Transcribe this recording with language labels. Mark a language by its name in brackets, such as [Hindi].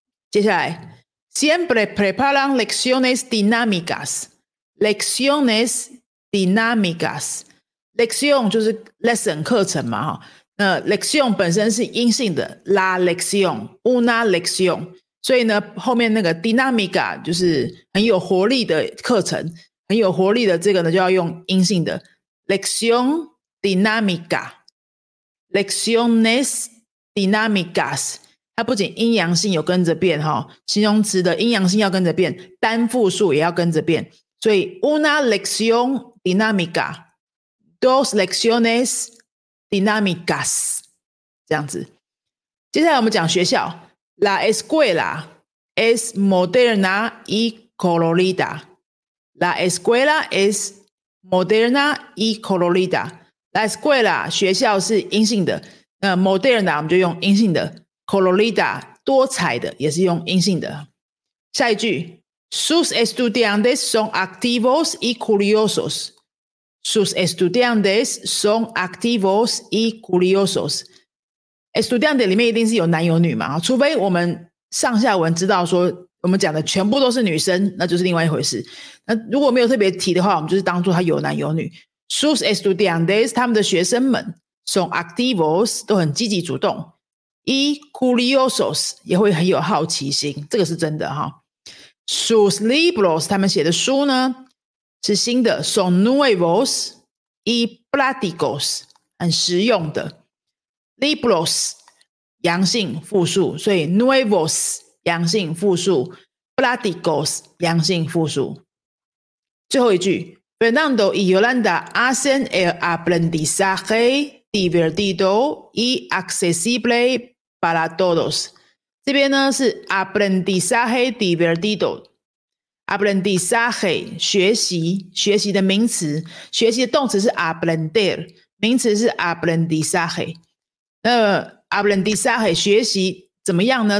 [Chinese] 接下来 [Spanish] siempre preparan lecciones dinámicas， [Chinese] lecciones dinámicas， lección 就是 lesson 课程嘛。那 lección 本身是阴性的， la lección， una lección， 所以呢后面那个 dinámica 就是很有活力的课程，很有活力的这个呢就要用阴性的 lección dinámica， lecciones dinámicas。它不仅阴阳性有跟着变，形容词的阴阳性要跟着变，单复数也要跟着变，所以 [Spanish] una lección dinámica， dos lecciones dinámicas， [Chinese] 这样子。接下来我们讲学校。 [Spanish] La escuela es moderna y colorida， La escuela es moderna y colorida， La escuela [Chinese] 学校是阴性的，那 Moderna 我们就用阴性的， Colorida 多彩的也是用阴性的。下一句， [Spanish] Sus estudiantes son activos y curiosos。 Sus estudiantes son activos y curiosos。 [Chinese] Estudiante 里面一定是有男有女嘛，除非我们上下文知道说我们讲的全部都是女生，那就是另外一回事。那如果没有特别提的话，我们就是当作他有男有女。Sus estudiantes 他们的学生们 son activos 都很积极主动， y curiosos 也会很有好奇心，这个是真的哈。 Sus libros 他们写的书呢是新的， [Spanish] son nuevos y prácticos [Chinese] 很实用的。 libros 阳性复数，所以 nuevos阳性复数， Platicos 阳性复数。最后一句， [Spanish] Fernando y Yolanda hacen el aprendizaje divertido y accesible para todos。 [Chinese] 这边呢是 aprendizaje divertido， aprendizaje 学习，学习的名词，学习的动词是 aprender， 名词是 aprendizaje。那 aprendizaje 学习怎么样呢？